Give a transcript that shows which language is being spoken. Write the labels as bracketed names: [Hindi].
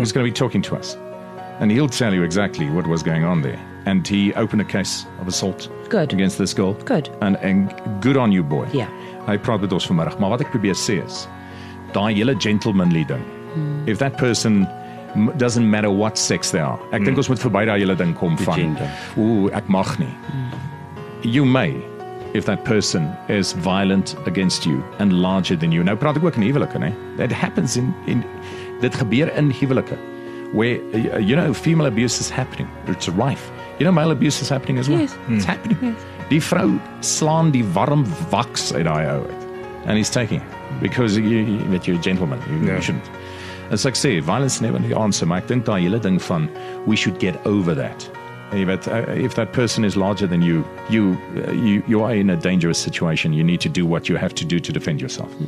[English] He's going to be talking to us. And he'll tell you exactly what was going on there. And he opened a case of assault against this girl. Good. And good on you, boy. Yeah. [Afrikaans] Hy praat met ons vanmiddag, maar wat ek probeer sê is, daai hele gentlemanly ding, [English] if that person doesn't matter what sex they are. [Afrikaans] Ek dink ons moet verby daai hele ding kom van ooh, ek mag nie. [English] You may, if that person is violent against you and larger than you. [Afrikaans] Nou praat ek ook in huwelike, né? [English] That happens in [Afrikaans] dit gebeur in huwelike. [English] Where, you know, female abuse is happening. It's rife. You know, male abuse is happening as well. Yes. It's happening. Yes. [Afrikaans] Die vrou slaan die warm waks uit die ou. [English] And he's taking it. Because you're a gentleman. You shouldn't. It's like, say, violence never the answer. [Afrikaans] Maar ek dink daar hele ding van, [English] we should get over that. If that person is larger than you, you are in a dangerous situation. You need to do what you have to do to defend yourself.